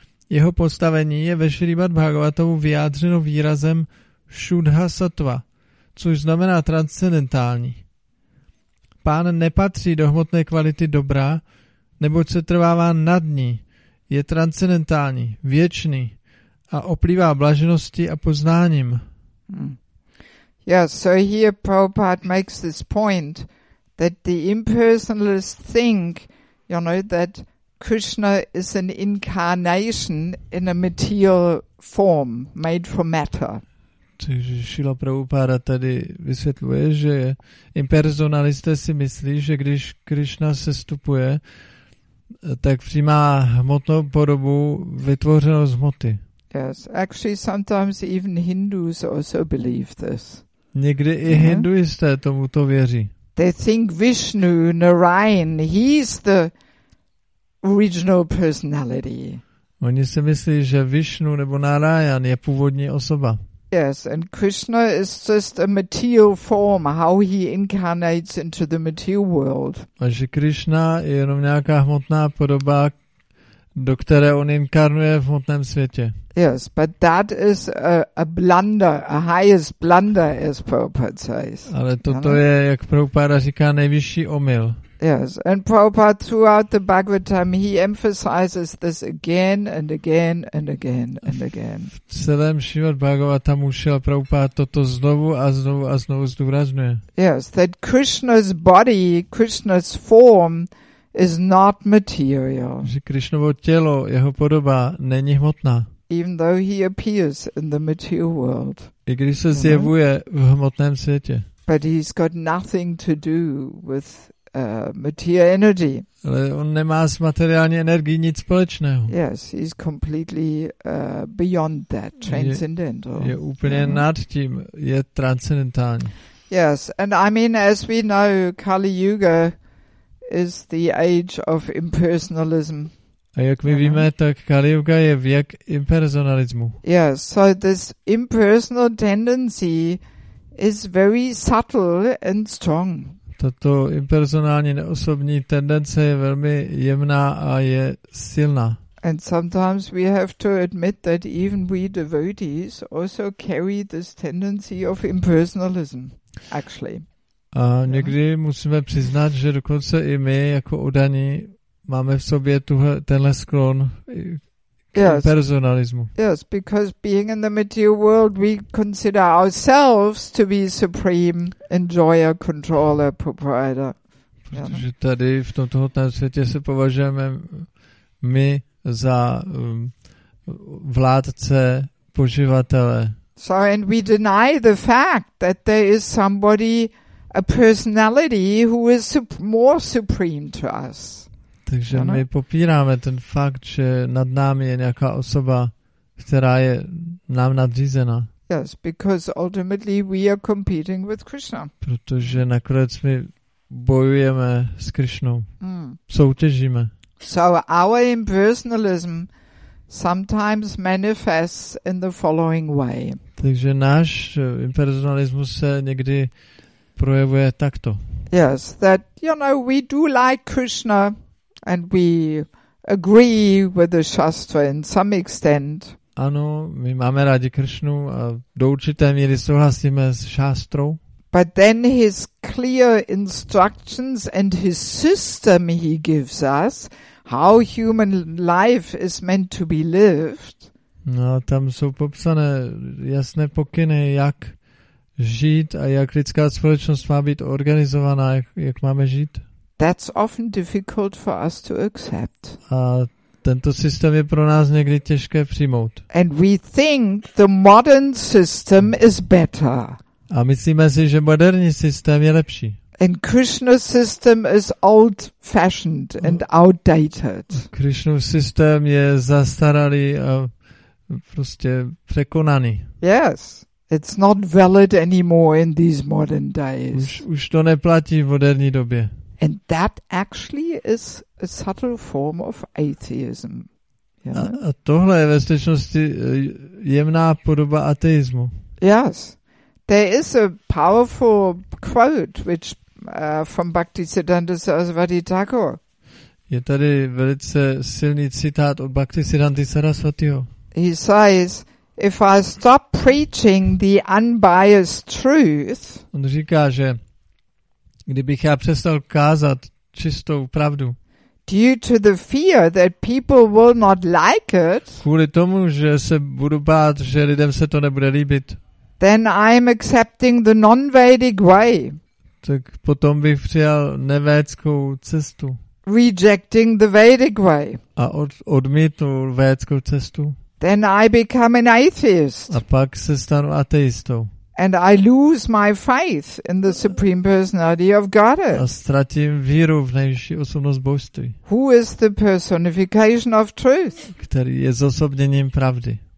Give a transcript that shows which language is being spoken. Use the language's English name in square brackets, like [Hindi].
[Czech] Jeho postavení je ve Šrimad Bhagavatamu vyjádřeno výrazem Shuddha Sattva, což znamená transcendentální. Pán nepatří do hmotné kvality dobra, neboť se trvává nad ní, je transcendentální, věčný a oplývá blaženosti a poznáním. [English] Yeah, so here Prabhupada makes this point that the impersonalists think, you know, that Krishna is an incarnation in a material form made from matter. [Czech] Takže Šila Prabhupada tady vysvětluje, že impersonalisté si myslí, že když Krishna sestupuje, tak přijímá hmotnou podobu vytvořenou z hmoty. [English] Yes, actually sometimes even Hindus also believe this. [Czech] Někdy i hinduisté tomu to věří. [English] They think Vishnu, Narayan, he's the original personality. [Czech] Oni si myslí, že Vishnu nebo Narayan je původní osoba. [English] Yes, and Krishna is just a material form, how he incarnates into the material world. [Czech] A že Krishna je jenom nějaká hmotná podoba, do které on inkarnuje v hmotném světě. [English] Yes, but that is a blunder, a highest blunder, as Prabhupada says. [Czech] Ale toto je, jak Prabhupada říká, nejvyšší omyl. [English] Yes, and Prabhupada throughout the Bhagavatam, he emphasizes this again and again and again and again. [Czech] V celém Šrimad Bhagavatamu šel Prabhupada toto znovu a znovu a znovu zdůrazňuje. [English] Yes, that Krishna's body, Krishna's form is not material. [Czech] Že Krishnovo tělo, jeho podoba, není hmotná. [English] Even though he appears in the material world. [Czech] I když se zjevuje v hmotném světě. [English] But he's got nothing to do with material energy. [Czech] Ale on nemá s materiální energií nic společného. [English] Yes, he's completely beyond that, transcendental. [Czech] Je úplně nad tím, je transcendentální. [English] Yes, and I mean, as we know, Kali Yuga is the age of impersonalism. [Czech] A jak my víme, tak Kali Yuga je věk impersonalismu. [English] Yes, so this impersonal tendency is very subtle and strong. [Czech] Tato impersonální neosobní tendence je velmi jemná a je silná. [English] And sometimes we have to admit that even we devotees also carry this tendency of impersonalism, actually. [Czech] A někdy musíme přiznat, že dokonce i my jako udaní máme v sobě tenhle sklon k impersonalismu. [English] Yes, because being in the material world, we consider ourselves to be supreme enjoyer, controller, proprietor. [Czech] Protože tady v tomto světě se považujeme my za vládce, poživatele. [English] So, and we deny the fact that there is somebody, a personality who is more supreme to us. [Czech] Takže my popíráme ten fakt, že nad námi je nějaká osoba, která je nám nadřízena. [English] Yes, because ultimately we are competing with Krishna. [Czech] Protože nakonec my bojujeme s Krishnou. Soutěžíme. [English] So our impersonalism sometimes manifests in the following way. [Czech] Takže náš impersonalismus se někdy projevuje takto. [English] Yes, that, you know, we do like Krishna and we agree with the Shastra in some extent. [Czech] Ano, my máme rádi Krishnu a do určité míry souhlasíme s Shastrou. [English] But then his clear instructions and his system he gives us, how human life is meant to be lived. [Czech] No, tam jsou popsané jasné pokyny, jak žít a jak lidská společnost má být organizovaná, jak máme žít. [English] That's often difficult for us to accept. [Czech] A tento systém je pro nás někdy těžké přijmout. [English] And we think the modern system is better. [Czech] A myslíme si, že moderní systém je lepší. [English] And Krishna's system is old-fashioned and outdated. [Czech] Krishnův systém je zastaralý a prostě překonaný. [English] Yes, it's not valid anymore in these modern days. [Czech] Už to neplatí v moderní době. [English] And that actually is a subtle form of atheism. Yeah? [Czech] A tohle je ve skutečnosti jemná podoba ateismu. [English] Yes, there is a powerful quote which from Bhaktisiddhanta Sarasvati Thakur. [Czech] Je tady velice silný citát od Bhaktisiddhanty Sarasvatiho. [English] He says, if I stop preaching the unbiased truth, [Czech] on říká, že kdybych já přestal kázat čistou pravdu, [English] due to the fear that people will not like it, [Czech] kvůli tomu, že se budu bát, že lidem se to nebude líbit, [English] then I am accepting the non-Vedic way. [Czech] Tak potom bych přijal nevédskou cestu. [English] Rejecting the Vedic way. [Czech] A odmítnul védskou cestu. [English] Then I become an atheist. [Czech] A pak se stanu ateistou. [English] And I lose my faith in the Supreme Personality of Godhead. [Czech] A ztratím víru v nejvyšší osobnost božství. [English] Who is the personification of truth? [Czech] Který je zosobněním pravdy.